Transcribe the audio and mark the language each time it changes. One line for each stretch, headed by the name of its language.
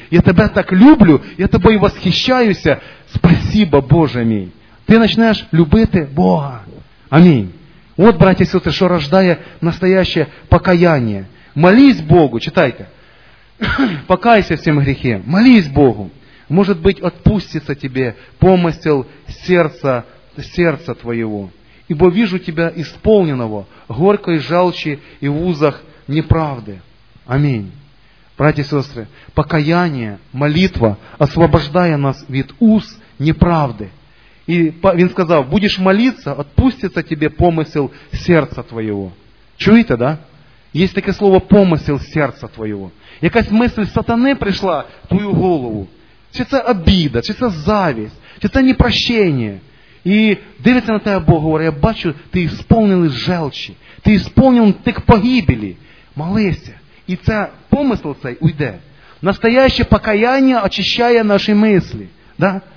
Ukrainian: Я тебе так люблю, я тобою восхищаюся. Спасибо, Боже мій. Ти почнеш любити Бога. Амінь. От, браття, сестри, що рождає настояще покаяння. Молись Богу, читайте. Покайся всім гріхи, молись Богу.
Russian: Может быть, отпустится тебе помысел сердца твоего. Ибо вижу тебя исполненного горькой жалчи и в узах неправды. Аминь. Братья и сестры, покаяние, молитва, освобождая нас от уз неправды. И он сказал, будешь молиться, отпустится тебе помысел сердца твоего. Чуете, да? Есть такое слово «помысел сердца твоего». Якась мысль сатаны пришла в твою голову.
Ukrainian: Чи це обіда, чи це зависть, чи це непрощення. І дивиться на тебе Бог, говорить, я бачу, ти сповнений желчі, ти сповнений тих погибелі. Молися. І це помисл цей уйде. Настояще покаяння очищає наші мислі. Да?